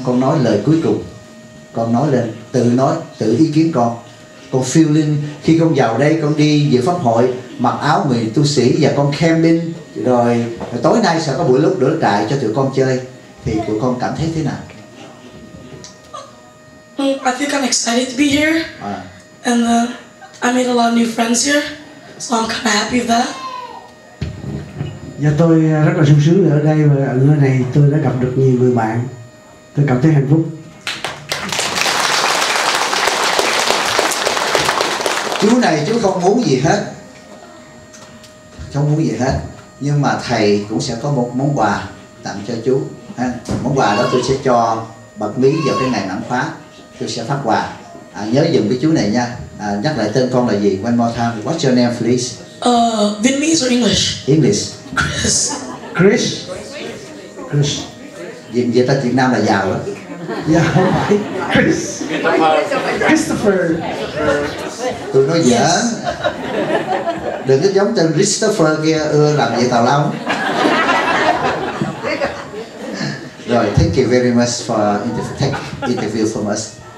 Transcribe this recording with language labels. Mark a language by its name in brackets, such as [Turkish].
[Vietnamese] Con nói lời cuối cùng. Con nói lên, tự nói, tự ý kiến con. Con feeling khi con vào đây, con đi dự pháp hội mặc áo người tu sĩ và con camping, rồi tối nay sẽ có buổi lúc đổ trại cho tụi con chơi, thì tụi con cảm thấy thế nào? [English] I think I'm excited to be here. And I made a lot of new friends here, so I'm kind of happy with that. [Vietnamese] Và tôi rất là sung sướng ở đây, và ở nơi này tôi đã gặp được nhiều người bạn, tôi cảm thấy hạnh phúc. Chú này chú không muốn gì hết, không muốn gì hết, nhưng mà thầy cũng sẽ có một món quà tặng cho chú ha. Món quà đó tôi sẽ cho bật mí vào cái ngày mãn khóa, tôi sẽ phát quà. Nhớ dùng cái chú này nha. Nhắc lại tên con là gì, [English] one more time, what's your name please? Vietnamese or English? English. Chris. Chris. Chris. [Vietnamese] Vậy ta Việt Nam là giàu lắm. Dạ không phải. Chris. Christopher. Tôi nói dở. Đừng có giống tên Christopher kia, ưa làm gì tào lao. [English] Rồi, thank you very much for interview from us.